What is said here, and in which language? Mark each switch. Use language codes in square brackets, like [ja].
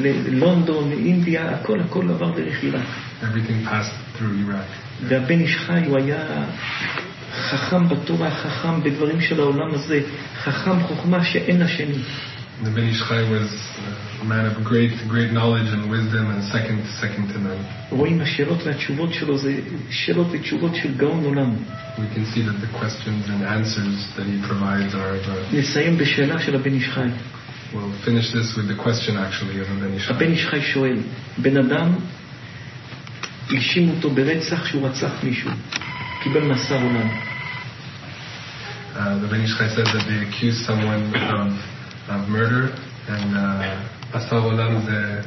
[he] London, India, הכל עבר דרך עיראק. [en] Everything passed through Iraq. [he] והבן איש חי, הוא היה חכם בתורה, חכם בדברים של העולם הזה, חכם חוכמה שאין השני. [en] The Ben Ish Chai was a man of great knowledge and wisdom, and second to none. [he] רואים השאלות והתשובות שלו, זה שאלות ותשובות של גאון עולם. [en] We can see that the questions and answers that he provides are the... [he] נסיים בשאלה של הבן איש חי. [en] We'll finish this with the question actually of הבן איש חי. [he] הבן איש חי שואל, בן אדם אישים אותו ברצח שהוא רצח מישהו, קיבל מסר עולם. [en] The Ben Ish Chai says that they accused someone of murder, and Masav Olam is a...